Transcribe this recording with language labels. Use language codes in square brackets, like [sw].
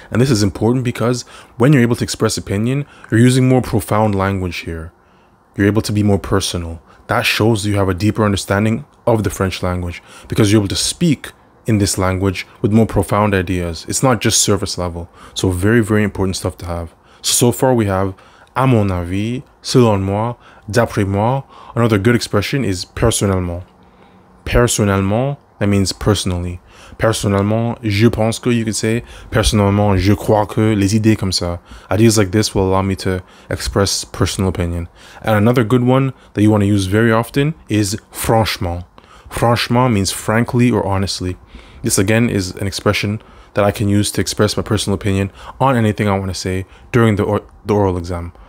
[en] And this is important because when you're able to express opinion, you're using more profound language here. You're able to be more personal. That shows you have a deeper understanding of the French language because you're able to speak in this language with more profound ideas. It's not just surface level. So very, very important stuff to have. So far we have à mon avis, selon moi, d'après moi. Another good expression is personnellement. Personnellement, that means personally. [fr] Personnellement, je pense que, [en] you could say. [fr] Personnellement, je crois que, les idées comme ça. [en] Ideas like this will allow me to express personal opinion. And another good one that you want to use very often is franchement. Franchement means frankly or honestly. This again is an expression that I can use to express my personal opinion on anything I want to say during the oral exam.